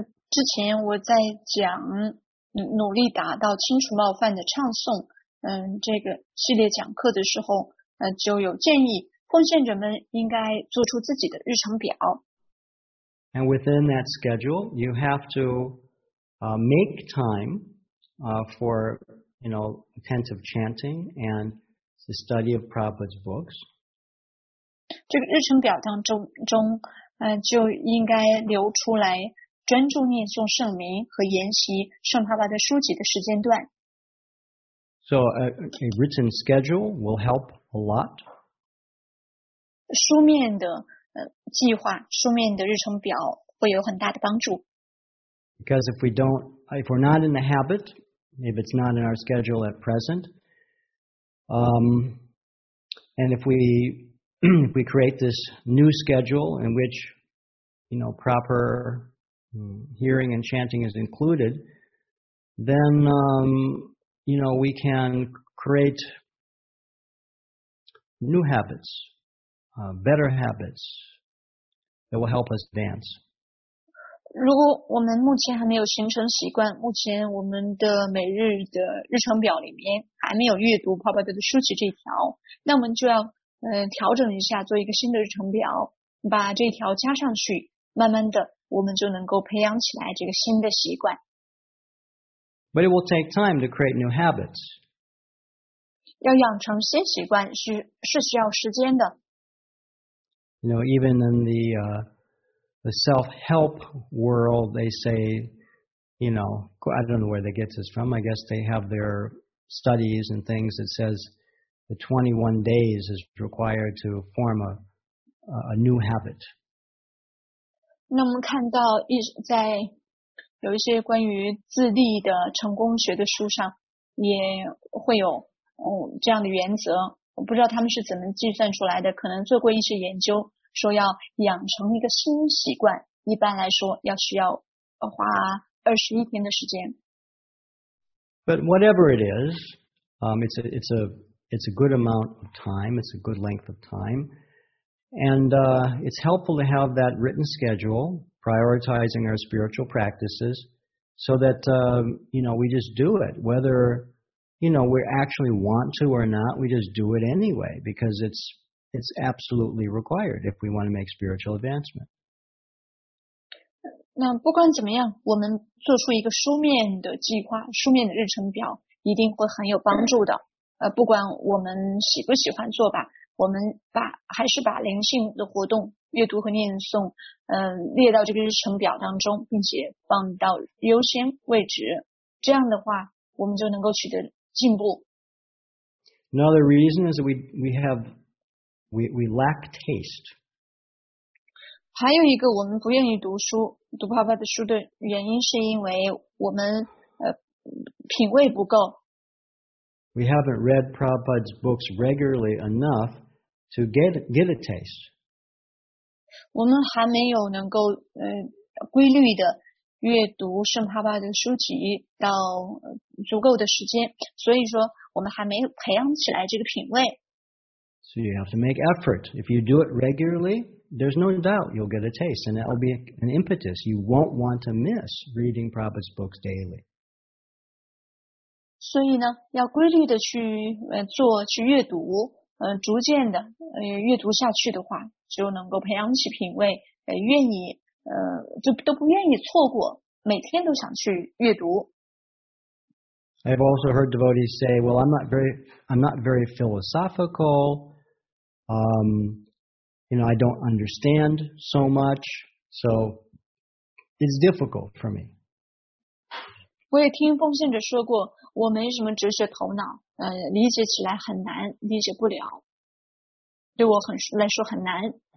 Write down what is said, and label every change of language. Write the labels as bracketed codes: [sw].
[zh] 之前我在讲努力达到清除冒犯的唱诵这个系列讲课的时候就有建议奉献者们应该做出自己的日程表。 [en] And within that schedule, you have to make time for, you know, attentive chanting and the study of Prabhupada's books. [zh] 这个日程表当中就应该留出来专注念诵圣名和研习圣帕巴的书籍的时间段。 [en] So a written schedule will help a lot. [zh] 书面的计划，书面的日程表会有很大的帮助。 [en] Because if we don't, if we're not in the habit, if it's not in our schedule at present, and if we create this new schedule in which, you know, proper hearing and chanting is included, then, you know, we can create new habits, better habits that will help us dance. [zh] 如果我们目前还没有形成习惯，目前我们的每日的日程表里面还没有阅读帕巴德的书籍这一条，那我们就要调整一下，做一个新的日程表，把这条加上去，慢慢的我们就能够培养起来这个新的习惯。 [en] But it will take time to create new habits. [zh] 要养成新习惯是需要时间的。 [en] You know, even in the self-help world, they say, you know, I don't know where they get this from. I guess they have their studies and things that says the 21 days is required to form a new habit. [zh] 那我们看到在有一些关于自立的成功学的书上也会有这样的原则。我不知道他们是怎么计算出来的，可能做过一些研究。说要养成一个新习惯，一般来说要需要花21天的时间。 [en] But whatever it is, it's a good amount of time, it's a good length of time, and it's helpful to have that written schedule, prioritizing our spiritual practices, so that, you know, we just do it, whether, you know, we actually want to or not, we just do it anyway, because it's absolutely required if we want to make spiritual advancement. [zh] 那不管怎么样，我们做出一个书面的计划，书面的日程表一定会很有帮助的。不管我们喜不喜欢做吧，我们还是把灵性的活动、阅读和念诵，列到这个日程表当中，并且放到优先位置。这样的话，我们就能够取得进步。 [en] Another reason is that we lack taste. [zh] 还有一个我们不愿意读书读爸爸的书的原因是因为我们品味不够。 [en] We haven't read Prabhupada's books regularly enough to get a taste. [zh] 我们还没有能够规律的阅读圣爸爸的书籍到足够的时间，所以说我们还没有培养起来这个品味。 [en] So you have to make effort. If you do it regularly, there's no doubt you'll get a taste, and that will be an impetus. You won't want to miss reading Prabhupada's books daily. [zh] 所以呢，要规律的去做去阅读，逐渐的阅读下去的话，就能够培养起品味，愿意就都不愿意错过，每天都想去阅读。 [en] I've also heard devotees say, "Well, I'm not very philosophical. You know, I don't understand so much, so it's difficult for me." [zh] 我也听奉献者说过，我没什么哲学头脑，理解起来很难，理解不了，对我很来说很难。